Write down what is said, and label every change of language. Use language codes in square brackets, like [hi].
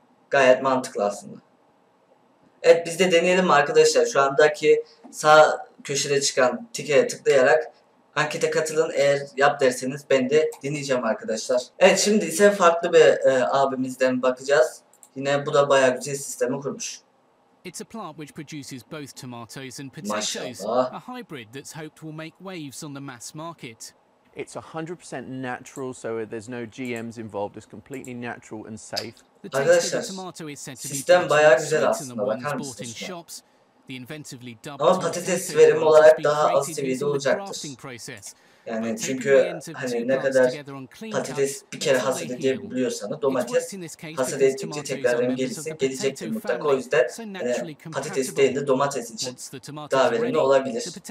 [tr] Gayet mantıklı aslında. Evet, biz de deneyelim arkadaşlar. Şu andaki sağ köşede çıkan tike'ye tıklayarak ankete katılın. Eğer yap derseniz ben de deneyeceğim arkadaşlar. Evet, şimdi ise farklı bir abimizden bakacağız. Yine bu da bayağı güzel sistemi kurmuş. [en] It's a plant which produces both tomatoes and potatoes, a hybrid that's hoped will make waves on the mass market. It's 100% natural, so there's no GMs involved. It's completely natural and safe. The taste of the tomato is said to be better than the ones bought in shops. The inventively dubbed [tr] ama patates verim olarak daha az seviyede olacaktır. Yani çünkü hani ne kadar patates bir kere hasat edebiliyorsanız domates hasat ettikçe tekrar gelirse gelecektir mutlaka. O yüzden hani patates değil de domates için daha verimli olabilir.